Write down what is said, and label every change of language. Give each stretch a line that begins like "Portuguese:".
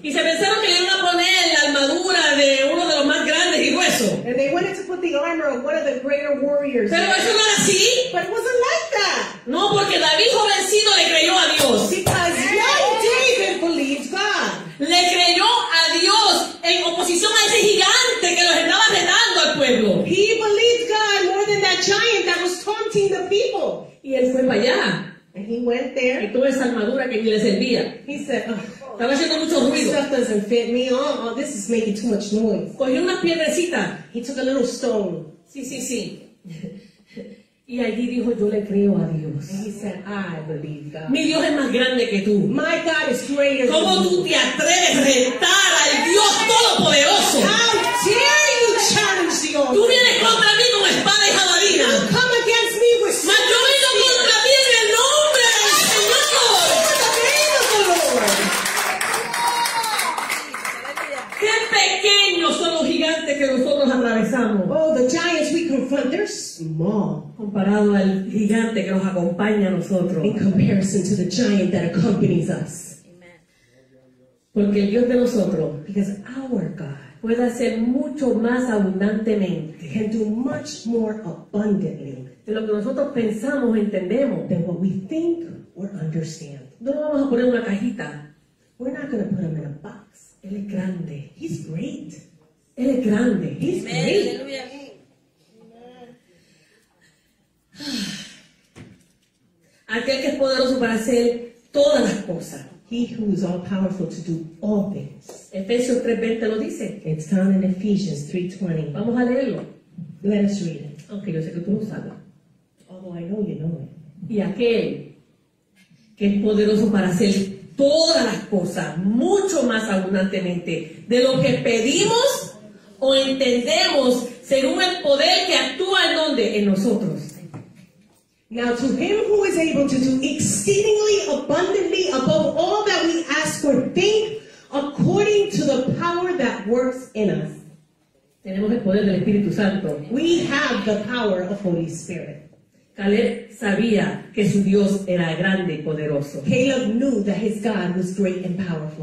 Spanish: Y se pensaron que iban a poner la armadura de uno de los más grandes y grueso.
English: And they wanted to put the armor of one of the greater warriors.
Spanish: Pero eso no era así.
English: But it wasn't like that.
Spanish: No, porque David jovencito le creyó a Dios.
English: Because young David believed God.
Spanish: Le creyó a Dios en oposición a ese gigante que los estaba retando al pueblo.
English: He believed God more than that giant that was taunting the people.
Spanish: Y él fue para allá.
English: And he went there.
Spanish: Y toda esa armadura que ni le servía.
English: He said,
Spanish: estaba haciendo mucho ruido.
English: This stuff doesn't fit me. Oh, this is making too much noise.
Spanish: Cogió una piedrecita.
English: He took a little stone.
Spanish: Sí, sí, sí. Y allí dijo, yo le creo a Dios.
English: And he said, I believe God.
Spanish: Mi Dios es más grande que tú.
English: My God is greater than you.
Spanish: ¿Cómo tú te atreves a retar al Dios Todopoderoso?
English: How dare you challenge the Lord?
Spanish: Tú vienes contra mí con espada y jabalina.
English: Come against me with sword.
Spanish: Yo vengo contra ti en el nombre del Señor.
English: The name of the Lord.
Spanish: Qué pequeños son los gigantes que nosotros atravesamos.
English: Oh, the giants we confront, they're small.
Spanish: Comparado al gigante que nos acompaña a nosotros.
English: In comparison to the giant that accompanies us.
Spanish: Porque el Dios de nosotros,
English: because our God,
Spanish: puede hacer mucho más abundantemente,
English: can do much more abundantly,
Spanish: de lo que nosotros pensamos o entendemos,
English: than what we think or understand.
Spanish: No lo vamos a poner en una cajita.
English: We're not going to put him in a box.
Spanish: Él es grande.
English: He's great.
Spanish: Él es grande.
English: He's Amen. Great.
Spanish: Aleluya. Aquel que es poderoso para hacer todas las cosas.
English: He who is all powerful to do all things.
Spanish: Efesios 3:20 lo dice.
English: It's found in Ephesians 3:20.
Spanish: Vamos a leerlo.
English: Let us read it.
Spanish: Aunque yo sé que tú lo sabes.
English: Although I know you know it.
Spanish: Y aquel que es poderoso para hacer todas las cosas mucho más abundantemente de lo que pedimos o entendemos según el poder que actúa en donde en nosotros.
English: Now to him who is able to do exceedingly abundantly above all that we ask or think, according to the power that works in us.
Spanish: Tenemos el poder del Espíritu Santo.
English: We have the power of Holy Spirit.
Spanish: Caleb sabía que su Dios era grande y poderoso.
English: Caleb knew that his God was great and powerful.